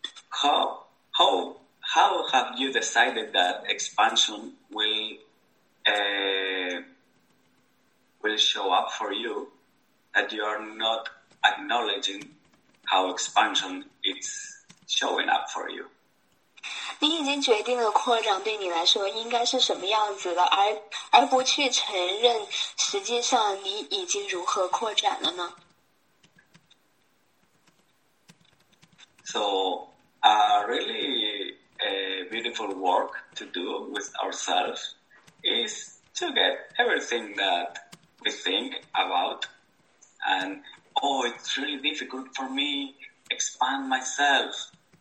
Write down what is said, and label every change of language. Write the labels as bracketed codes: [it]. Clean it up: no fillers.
[en] How have you decided that expansion will show up for you, that you are not acknowledging how expansion is showing up for you? [zh] 你已经决定了扩张对你来说应该是什么样子的，而不去承认，实际上你已经如何扩展了呢？ [en] So, a really beautiful work to do with ourselves is to get everything that we think about and, oh, it's really difficult for me expand myself.